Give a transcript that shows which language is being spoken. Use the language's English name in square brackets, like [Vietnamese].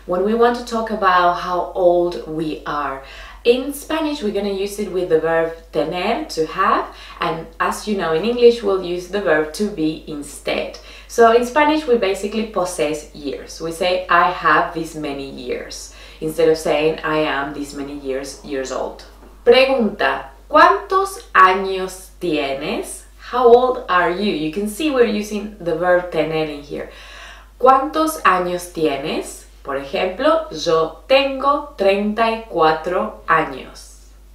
[English] When we want to talk about how old we are, in Spanish, we're gonna use it with the verb tener, to have, and as you know, in English, we'll use the verb to be instead. So in Spanish, we basically possess years. We say, I have this many years, instead of saying, I am this many years old. [Spanish] Pregunta, ¿cuántos años tienes? [English] How old are you? You can see we're using the verb tener in here. [Spanish] ¿Cuántos años tienes? Por ejemplo, yo tengo 34 años.